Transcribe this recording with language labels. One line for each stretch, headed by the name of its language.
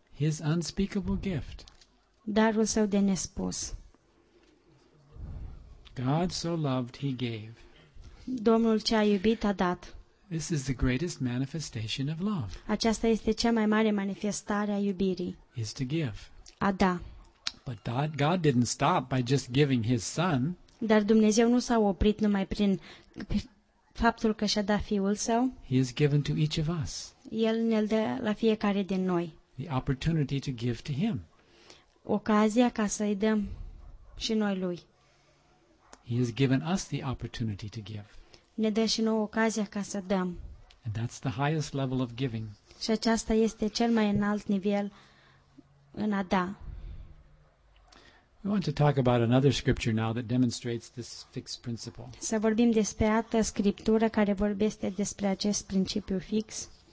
English: his unspeakable gift,
Romanian: darul său de nespus.
English: God so loved, he gave.
Romanian: Domnul ce a iubit a dat.
English: This is the greatest manifestation of love.
Romanian: Aceasta este cea mai mare manifestare a iubirii.
English: Is to give.
Romanian: A da.
English: But God didn't stop by just giving his son.
Romanian: Dar Dumnezeu nu s-a oprit numai prin faptul că și-a dat fiul său.
English: He has given to each of us.
Romanian: El ne-l dă la fiecare din noi.
English: The opportunity to give to him.
Romanian: Ocazia ca să-i dăm și noi lui.
English: He has given us the opportunity to give.
Romanian: Ne dă și nouă ocazia ca să dăm.
English: And that's the highest level of giving.
Romanian: Și aceasta este cel mai înalt nivel în a da.
English: We want to talk about another scripture now that demonstrates this fixed principle.
Romanian: Să vorbim despre altă scriptură care vorbește despre acest principiu fix.